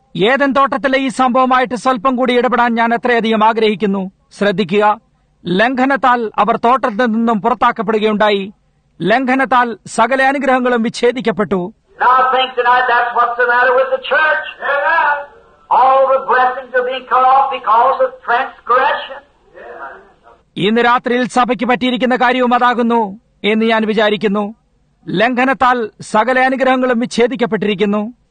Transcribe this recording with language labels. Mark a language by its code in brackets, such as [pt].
[ml] Eden തോട്ടത്തിലെ ഈ സംഭവമായിട്ട് സ്വല്പം കൂടി ഇടപെടാൻ ഞാൻ എത്രയധികം ആഗ്രഹിക്കുന്നു. ശ്രദ്ധിക്കുക, ലംഘനത്താൽ അവർ തോട്ടത്തിൽ നിന്നും പുറത്താക്കപ്പെടുകയുണ്ടായി. ലംഘനത്താൽ സകല അനുഗ്രഹങ്ങളും വിച്ഛേദിക്കപ്പെട്ടു. [en] Now I think tonight that's what's the matter with the church. All the blessings are being cut off because of transgression. [ml] ഇന്ന് രാത്രിയിൽ സഭയ്ക്ക് പറ്റിയിരിക്കുന്ന കാര്യവും അതാകുന്നു എന്ന് ഞാൻ വിചാരിക്കുന്നു. ലംഘനത്താൽ സകല അനുഗ്രഹങ്ങളും വിച്ഛേദിക്കപ്പെട്ടിരിക്കുന്നു.